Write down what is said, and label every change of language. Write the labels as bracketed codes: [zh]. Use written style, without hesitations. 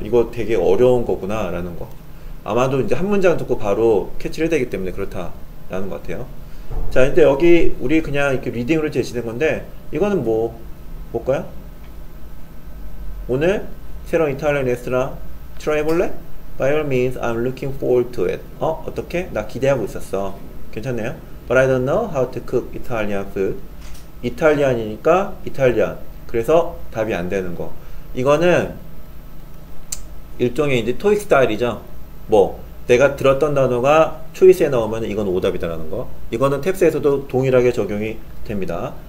[ko] 이거 되게 어려운 거구나라는 거. 아마도 이제 한 문장 듣고 바로 캐치를 해야 되기 때문에 그렇다라는 것 같아요. 자, 근데 여기 우리 그냥 이렇게 리딩으로 제시된 건데 이거는 뭐 볼까요? 오늘 새로운 이탈리안 레스토랑 트라이 해볼래? [en] By all means, I'm looking forward to it. [ko] 어떻게? 나 기대하고 있었어. 괜찮네요. [en] But I don't know how to cook Italian food. [ko] 이탈리안이니까 이탈리안. 그래서 답이 안 되는 거. 이거는 일종의 이제 토익 스타일이죠. 뭐 내가 들었던 단어가 초이스에 나오면 이건 오답이다라는 거. 이거는 탭스에서도 동일하게 적용이 됩니다.